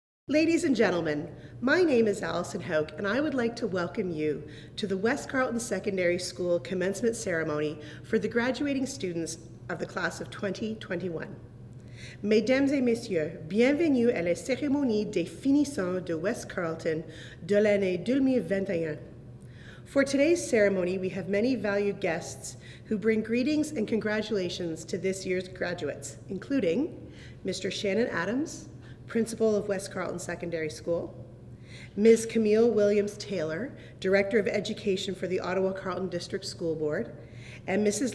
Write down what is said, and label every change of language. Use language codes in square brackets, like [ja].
[en] Ladies and gentlemen, my name is Allison Hoke, and I would like to welcome you to the West Carleton Secondary School commencement ceremony for the graduating students of the class of 2021. [fr] Mesdames et messieurs, bienvenue à la cérémonie des finissants de West Carleton de l'année 2021. [en] For today's ceremony, we have many valued guests who bring greetings and congratulations to this year's graduates, including Mr. Shannon Adams, Principal of West Carleton Secondary School, Ms. Camille Williams-Taylor, Director of Education for the Ottawa-Carleton District School Board, and Mrs.